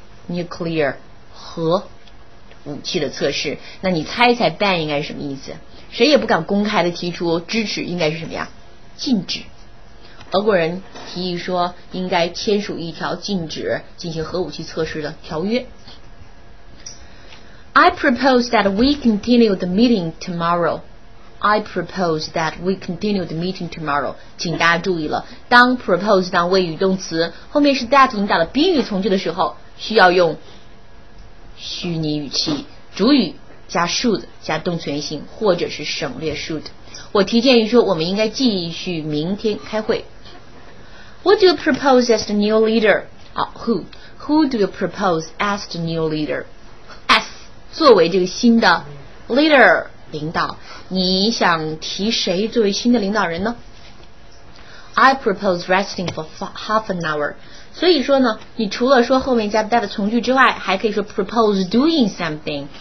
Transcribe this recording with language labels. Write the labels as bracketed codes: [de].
[zh] Nuclear 核武器的测试。那你猜一猜 ban 应该是什么意思？谁也不敢公开的提出支持，应该是什么呀？禁止。俄国人提议说应该签署一条禁止进行核武器测试的条约。 [en] I propose that we continue the meeting tomorrow. I propose that we continue the meeting tomorrow. [zh] 请大家注意了，当 propose 当谓语动词，后面是 that 引导的宾语从句的时候，需要用虚拟语气，主语加 should 加动词原形，或者是省略 should。我提建议说我们应该继续明天开会。 [en] Who do you propose as the new leader?、Oh, who do you propose as the new leader? [zh] As 作为这个新的 leader 领导，你想提谁作为新的领导人呢？ [en] I propose resting for half an hour。 [zh] 所以说呢，你除了说后面加 that 从句之外，还可以说 propose doing something。